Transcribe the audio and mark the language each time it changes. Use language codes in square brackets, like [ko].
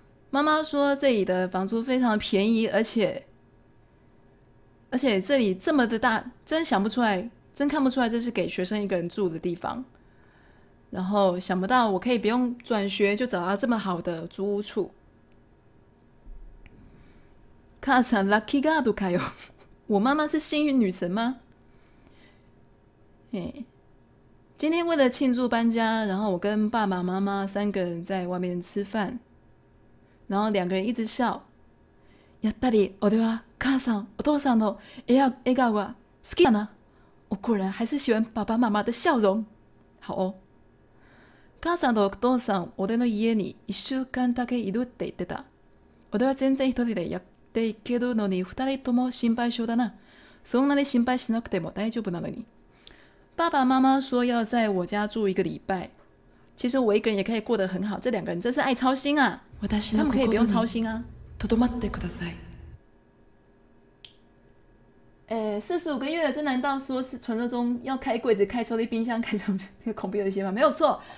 [zh] 妈妈说这里的房租非常便宜，而且这里这么的大，真想不出来，真看不出来这是给学生一个人住的地方。然后想不到我可以不用转学就找到这么好的租屋处。 [ja] 母さん、ラッキーガードかよ。 [zh] 我妈妈是幸运女神吗？嘿。今天为了庆祝搬家，然后我跟爸爸妈妈三个人在外面吃饭，然后两个人一直笑。 [ja] やっぱり俺は母さん、お父さんの笑顔が好きだな。 [zh] 我果然还是喜欢爸爸妈妈的笑容。好哦。 [ja] 母さんとお父さん、俺の家に一週間だけいるって言ってた。俺は全然一人でやっていけるのに、二人とも心配性だな。そんなに心配しなくても大丈夫なのに。 [zh] 爸爸妈妈说要在我家住一个礼拜。其实我一个人也可以过得很好。这两个人真是爱操心啊。 [ja] 私 [zh] 他们可以不用操心啊。 [ja] とどまってください。 [zh] 45个月的，这难道说是传说中要开柜子、开抽屉、冰箱、开什么那个恐怖游戏吗？没有错。